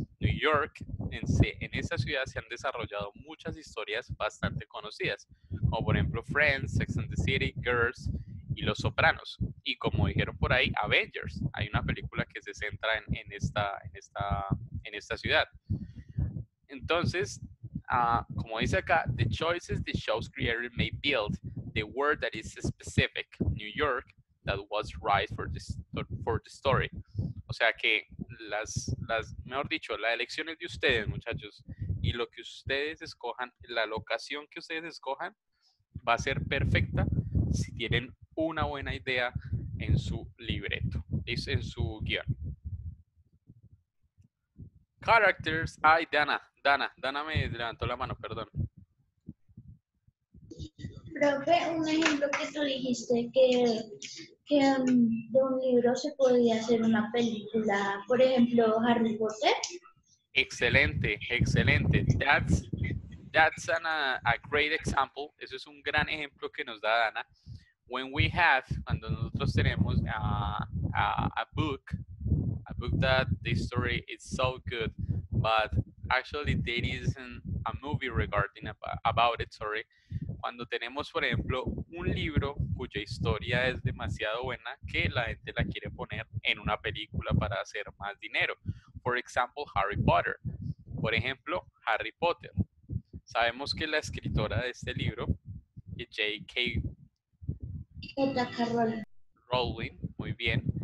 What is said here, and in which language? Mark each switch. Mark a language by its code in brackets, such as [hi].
[es] New York, en esa ciudad se han desarrollado muchas historias bastante conocidas, como por ejemplo Friends, Sex and the City, Girls y Los Sopranos. Y como dijeron por ahí, Avengers. Hay una película que se centra en esta ciudad. Entonces, como dice acá, [en] the choices the show's creator may build, the world that is specific, New York, that was right for the story. [es] O sea que las mejor dicho, las elecciones de ustedes, muchachos, y lo que ustedes escojan, la locación que ustedes escojan, va a ser perfecta si tienen una buena idea en su libreto, en su guión. Characters. Ay, Dana me levantó la mano, perdón. Profe, un ejemplo que tú dijiste, que de un libro se podía hacer una película, por ejemplo, Harry Potter. Excelente. [en] That's a great example. [es] Eso es un gran ejemplo que nos da Dana. Cuando nosotros tenemos [en] a book that the story is so good, but actually there isn't a movie regarding about it, sorry. [es] Cuando tenemos, por ejemplo, un libro cuya historia es demasiado buena que la gente la quiere poner en una película para hacer más dinero. [en] For example, [es] Harry Potter. Por ejemplo, Harry Potter. Sabemos que la escritora de este libro es J.K. Rowling, muy bien.